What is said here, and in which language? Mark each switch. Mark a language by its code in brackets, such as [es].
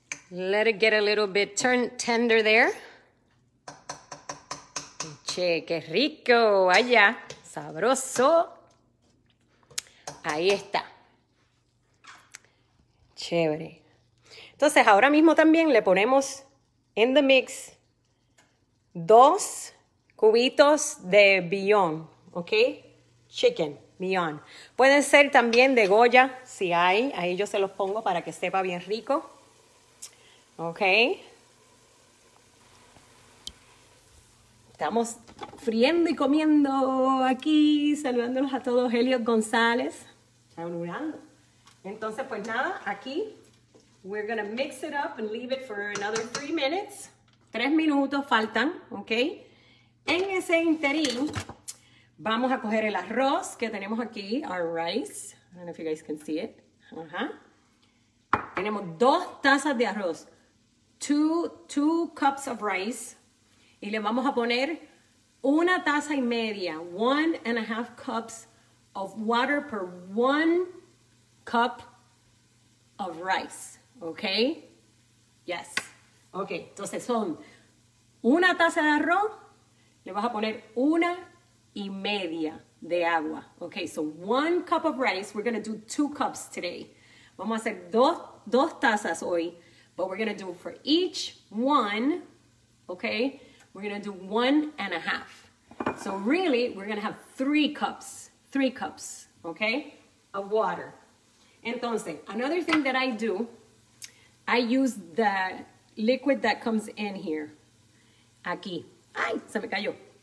[en] Let it get a little bit turn tender there. [es] Che, qué rico, vaya, sabroso. Ahí está. Chévere. Entonces, ahora mismo también le ponemos [en] in the mix [es] 2 cubitos de bouillon. Ok, chicken, bouillon. Pueden ser también de Goya, si hay. Ahí yo se los pongo para que sepa bien rico. Ok. Estamos friendo y comiendo aquí, saludándolos a todos. [en] Elliot González, [es] saludando. Entonces, pues nada, aquí, [en] we're gonna mix it up and leave it for another 3 minutes. [es] 3 minutos faltan, ok. En ese interín, vamos a coger el arroz que tenemos aquí, [en] our rice. I don't know if you guys can see it. [es] Tenemos 2 tazas de arroz. [en] Two cups of rice. [es] Y le vamos a poner 1 taza y media. [en] 1.5 cups of water per 1 cup of rice. [es] ¿Ok? Yes. Ok, entonces son 1 taza de arroz. Le vas a poner 1 y media de agua. [en] Okay, so 1 cup of rice. We're gonna do 2 cups today. [es] Vamos a hacer dos tazas hoy, [en] but we're gonna do for each one. Okay, we're gonna do 1.5. So really, we're gonna have 3 cups. 3 cups. Okay, of water. Entonces, another thing that I do, I use the liquid that comes in here. [es] Aquí. Ay, se me cayó.